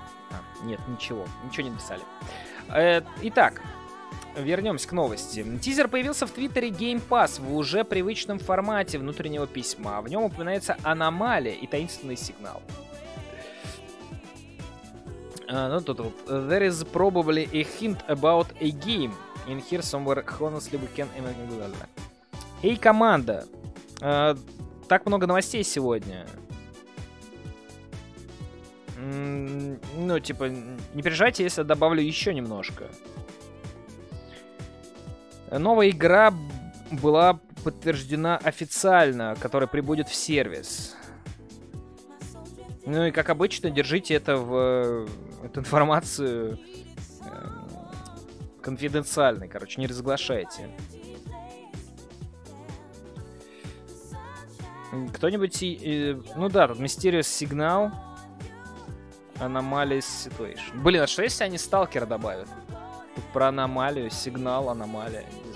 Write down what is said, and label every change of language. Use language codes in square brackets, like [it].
[ru] А, нет, ничего. Ничего не написали. Итак. Вернемся к новости. Тизер появился в твиттере Game Pass в уже привычном формате внутреннего письма. В нем упоминается аномалия и таинственный сигнал. Ну тут вот. [en] There is probably a hint about a game in here somewhere. Honestly, we can imagine. [ru] Эй, команда. Так много новостей сегодня. Ну, типа, не переживайте, если я добавлю еще немножко. Новая игра была подтверждена официально, которая прибудет в сервис. Ну и как обычно, держите это в эту информацию конфиденциальной, короче, не разглашайте. Кто-нибудь... ну да, тут Mysterious Signal, Anomaly Situation. Блин, а что если они сталкера добавят? Тут про аномалию, сигнал, аномалия...